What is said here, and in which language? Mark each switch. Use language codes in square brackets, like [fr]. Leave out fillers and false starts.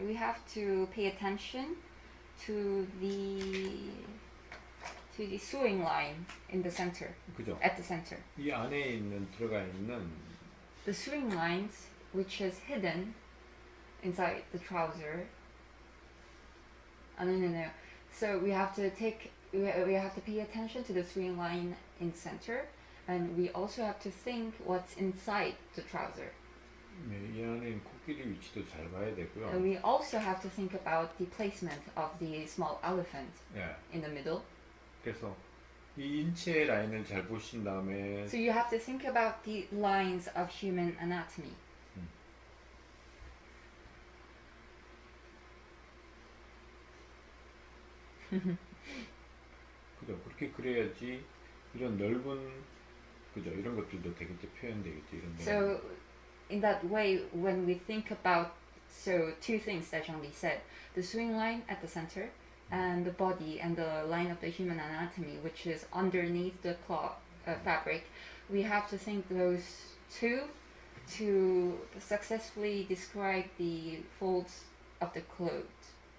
[en] We have to pay attention to the to the sewing line in the center. [ko] 그죠? [en] At the center. [ko] 이 안에 있는 들어가 있는 [en] the sewing lines which is hidden inside the trouser. 아, no, no, no. So we have to take we have to pay attention to the sewing line in center and we also have to think what's inside the trouser. [ko] 네, 이 안에 코끼리 위치도 잘 봐야 되고요. [en] And we also have to think about the placement of the small elephant yeah. in the middle. [ko] 그래서 이 인체 라인을 잘 보신 다음에 [en] So you have to think about the lines of human anatomy. [ko] 그죠, 그렇게 그래야지 이런 넓은 그죠, 이런 것들도 되겠지 표현되겠지 이런 [en] So in that way when we think about so two things that Jung Gi said the swing line at the center and the body and the line of the human anatomy which is underneath the cloth fabric we have to think those two to successfully describe the folds of the clothes